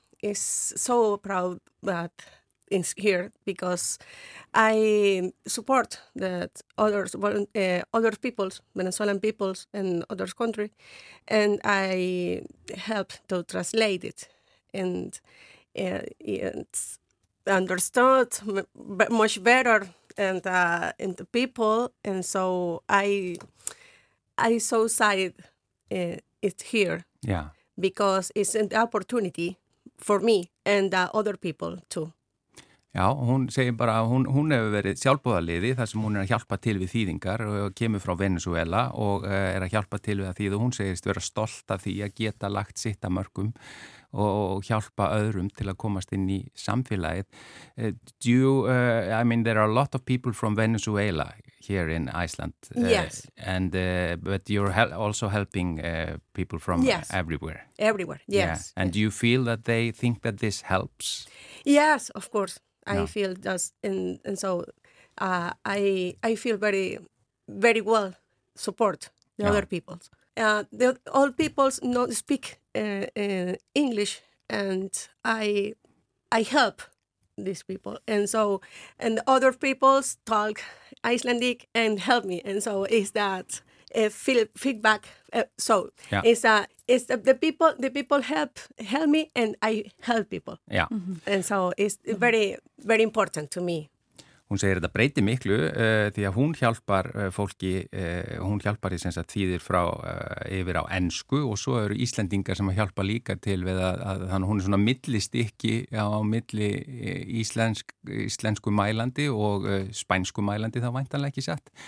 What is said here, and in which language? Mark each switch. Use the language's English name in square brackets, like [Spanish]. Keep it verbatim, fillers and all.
[English] is so proud that it's here because I support that others, uh, other peoples, Venezuelan peoples and other country, and I help to translate it and uh, it's understood much better and uh, and the people, and so I I so excited uh, it's here, yeah, because it's an opportunity. For me and uh, other people too. [Icelandic] Já, hún segir bara að hún, hún hefur verið sjálfbóðaliði þar sem hún er að hjálpa til við þýðingar og kemur frá Venezuela og uh, er að hjálpa til við að þýða og hún segist vera stolt af því að geta lagt sitt að mörgum og hjálpa öðrum til að komast inn í samfélagið. [English] Uh, do you, uh, I mean, there are a lot of people from Venezuela here in Iceland. Uh, yes. And, uh, but you're hel- also helping uh, people from yes. everywhere. Everywhere, yes. Yeah. And do you feel that they think that this helps? Yes, of course. No. I feel just, and, and so uh, I I feel very, very well support the yeah. other people. Uh, the, all peoples not speak uh, uh, English, and I I help these people, and so and other peoples talk Icelandic and help me, and so is that uh, feedback. Uh, so yeah. is that is the, the people the people help help me, and I help people. Yeah, mm-hmm. And so it's very very important to me. [Icelandic] Hún segir að þetta breyti miklu uh, því að hún hjálpar uh, fólki, uh, hún hjálpar í sem sagt þýðir frá uh, yfir á ensku og svo eru Íslendingar sem að hjálpa líka til við að, að þannig hún er svona millistykki á milli íslensk, íslensku mælandi og uh, spænsku mælandi þá væntanlega ekki satt.